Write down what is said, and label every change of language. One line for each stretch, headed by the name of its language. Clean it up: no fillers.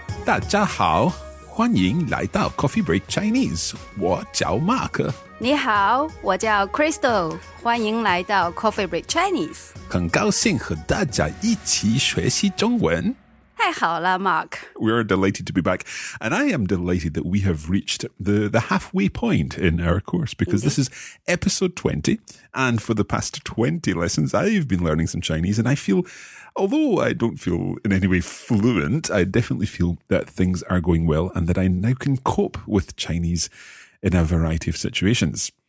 Chinese: Hello, 欢迎来到 Coffee Break Chinese. 我叫 Mark. 你好，我叫 Crystal. 欢迎来到 Coffee Break Chinese. 很高兴和大家一起学习中文。太好了 ，Mark.
English: We are delighted to be back, and I am delighted that we have reached the halfway point in our course because this is episode 20, and for the past 20 lessons, I've been learning some Chinese, and I feel, although I don't feel in any way fluent, I definitely feel that things are going well and that I now can cope with Chinese in a variety of situations.